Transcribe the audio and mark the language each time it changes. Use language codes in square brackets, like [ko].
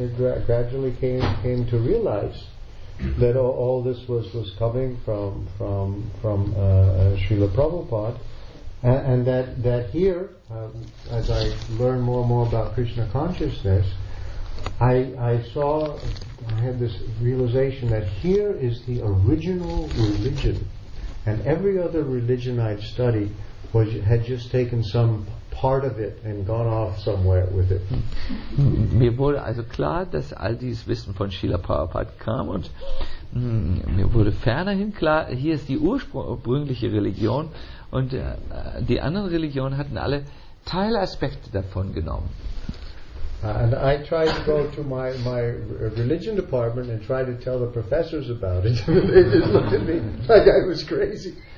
[en] But then I gradually came to realize that all this was coming from Srila Prabhupada, and that here, as I learned more and more about Krishna consciousness, I had this realization that here is the original religion, and every other religion I've studied had just taken some part of it and gone off somewhere with it. [de] Mir wurde also klar, dass all dieses Wissen von Srila Prabhupada kam, und mir wurde fernerhin klar, hier ist die ursprüngliche Religion, und die anderen Religionen hatten alle Teilaspekte davon genommen. [en] And I tried to go to my religion department and try to tell the professors about it. They just looked at me like I was crazy.